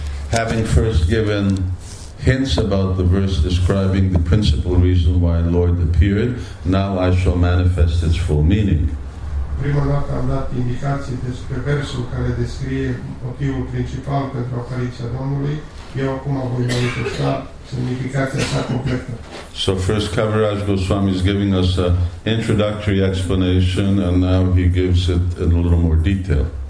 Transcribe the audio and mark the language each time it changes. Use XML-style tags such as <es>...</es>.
<en>Having first given hints about the verse describing the principal reason why the Lord appeared, now I shall manifest its full meaning.</en> <ro>Prima dată am dat indicații despre versul care descrie motivul principal pentru apariția Domnului. Eu acum voi manifesta semnificația sa completă.</ro> <en>So first Kaviraj Goswami is giving us an introductory explanation and now he gives it in a little more detail.</en>